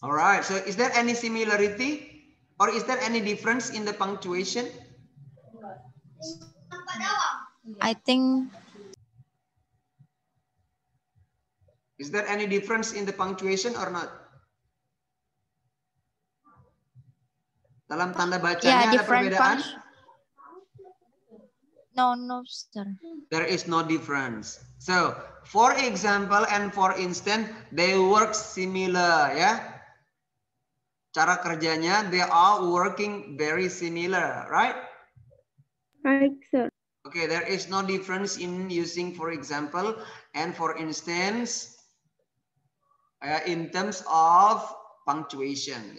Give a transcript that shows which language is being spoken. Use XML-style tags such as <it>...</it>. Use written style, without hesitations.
<en>All right, so is there any similarity? Or is there any difference in the punctuation? I think. Is there any difference in the punctuation or not?</en> <id>Dalam tanda bacanya ada perbedaan?</id> <en>No, sir. There is no difference. So, for example and for instance, they work similar, yeah?</en> <id>Cara kerjanya,</id> <en>they are working very similar, right? Right, sir. Okay, there is no difference in using, for example, and for instance, in terms of punctuation.</en>